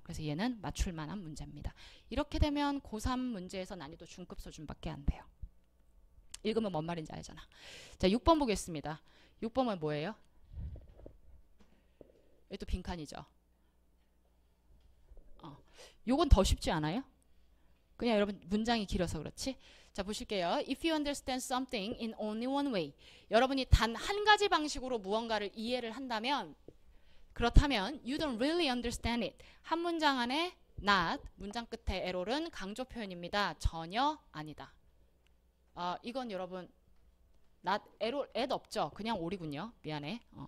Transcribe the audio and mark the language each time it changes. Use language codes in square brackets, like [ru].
[ko] 그래서 얘는 맞출 만한 문제입니다. 이렇게 되면 고3 문제에서 난이도 중급 수준밖에 안 돼요. 읽으면 뭔 말인지 알잖아. 자, 6번 보겠습니다. 6번은 뭐예요? 이게 또 빈칸이죠. 요건 더 쉽지 않아요? 그냥 여러분 문장이 길어서 그렇지. 자, 보실게요. [en] If you understand something in only one way. [ko] 여러분이 단한 가지 방식으로 무언가를 이해를 한다면, 그렇다면 [en] you don't really understand it. [ko] 한 문장 안에 not, 문장 끝에 error은 강조 표현입니다. 전혀 아니다. 이건 여러분 not, error, at 없죠. 그냥 all이군요. 미안해.